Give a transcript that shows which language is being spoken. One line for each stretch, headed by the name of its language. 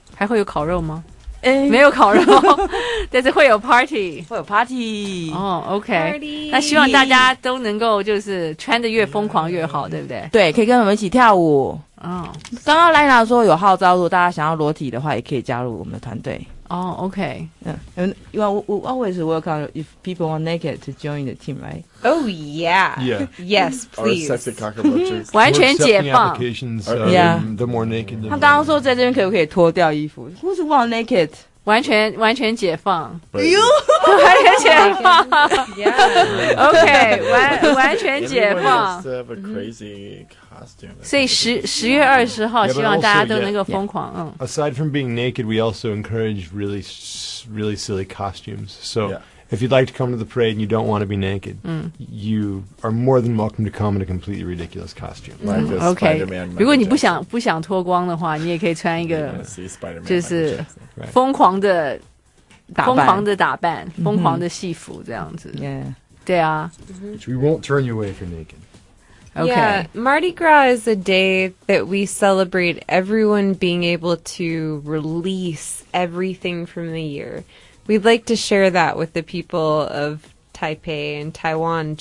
Chinese: 还会有烤肉吗？没有烤肉，但是会有 party，会有 party 哦、OK、party。那希望大家都能够就是穿得越疯狂越好，对不对？对，可以跟我们一起跳舞。刚刚莱娜说有号召，如果大家想要裸体的话也可以加入我们的团队。哦、OK、
English: You are always welcome if people want naked to join the team, right? Oh yeah, yeah. Yes, please. Our sexy cockroaches.
Chinese: 完全解放。
English: Yeah. The more naked, the
Chinese: 他刚刚说在这边可不可以脱掉衣服？
English: Who's want naked?
Chinese: 完全解放。
English: You
Chinese: 完全解放。
English: Yeah.
Chinese: OK, 完全解放。所以10月20号希望大家都能够疯狂。
English: Aside from being naked, we also encourage really, really silly costumes. So、yeah. if you'd like to come to the parade and you don't want to be naked、you are more than welcome to come in a completely ridiculous costume. Like a、Spider-Man、 okay. Michael
Chinese: 如果你不想脱光的话，你也可以穿一个就是疯狂的打扮、
English: right.
Chinese: 疯狂的戏服这样子、
English: yeah.
Chinese: 对啊、
English: Which、we won't turn you away if you're naked Okay. Yeah, Mardi Gras is a day that we celebrate everyone being able to release everything from the year. We'd like to share that with the people of Taipei and Taiwan.